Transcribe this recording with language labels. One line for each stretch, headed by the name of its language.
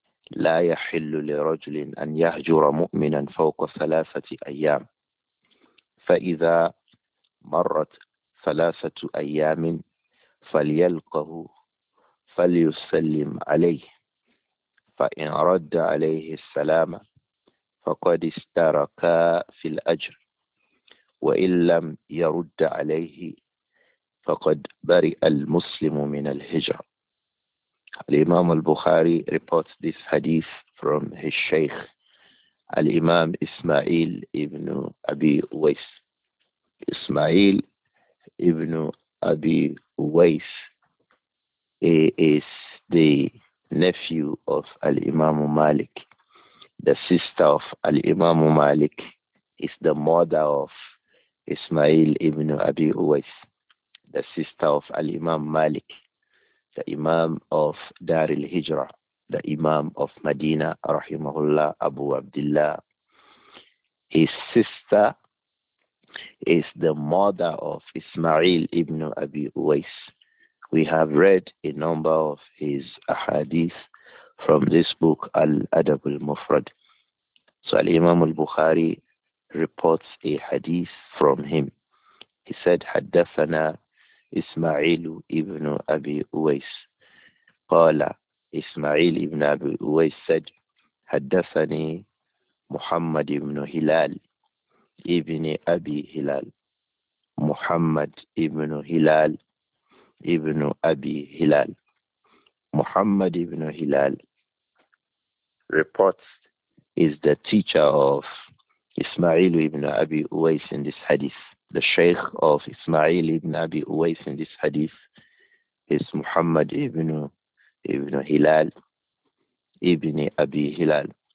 Arabic: لا يحل لرجل أن يهجر مؤمنا فوق 3 أيام فإذا مرت 3 أيام فليلقه فليسلم عليه فإن رد عليه السلام فقد استرك في الأجر وإن لم يرد عليه فقد برئ المسلم من الهجرة.
English: الإمام البخاري reports this hadith from his sheikh
Arabic: الإمام إسماعيل ابن أبي أويس.
English: إسماعيل ابن أبي أويس is the nephew of Al-Imam Malik. The sister of Al-Imam Malik is the mother of Ismail ibn Abi Uwais, the sister of Al-Imam Malik, the Imam of Dar al-Hijra, the Imam of Medina, rahimahullah, Abu Abdullah. His sister is the mother of Ismail ibn Abi Uwais. We have read a number of his ahadith from this book, Al-Adab al-Mufrad. So Al-Imam al-Bukhari reports a hadith from him. He said,
Arabic: حَدَّثَنَا إِسْمَعِيلُ إِبْنُ أَبِي أُوَيْسٍ قَالَ إِسْمَعِيلُ إِبْنُ أَبِي أُوَيْسٍ
English: said,
Arabic: حَدَّثَنِي مُحَمَّدِ إِبْنُ هِلَالِ إِبْنِ أَبِي هِلَالِ مُحَمَّدْ إِبْنُ هِلَالِ Ibn Abi Hilal.
English: Muhammad ibn Hilal reports is the teacher of Ismail ibn Abi Uwais in this hadith. The sheikh of Ismail ibn Abi Uwais in this hadith is Muhammad ibn Hilal, ibn Abi Hilal.